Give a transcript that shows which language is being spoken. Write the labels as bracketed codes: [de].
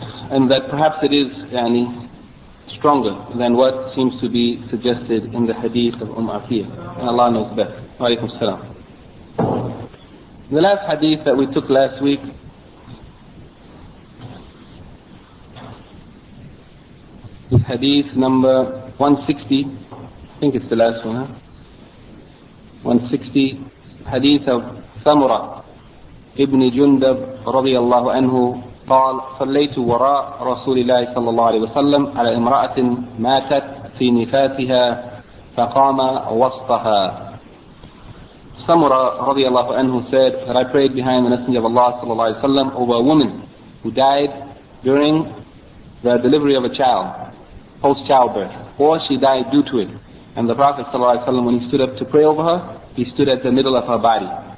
[en] And that perhaps it is yani stronger than what seems to be suggested in the hadith of Atiyah. And Allah knows best. Wa alaykum salam. The last hadith that we took last week is hadith number 160. I think it's the last one, huh? 160. Hadith of Samura ibn Jundab radiallahu anhu [ar] قال صليت وراء رسول الله صلى الله عليه وسلم على امرأة ماتت في نفاسها فقام وسطها. [en] Samura radiallahu anhu said that I prayed behind the Messenger of Allah صلى الله عليه وسلم over a woman who died during the delivery of a child, post-childbirth, or she died due to it. And the Prophet صلى الله عليه وسلم, when he stood up to pray over her, he stood at the middle of her body.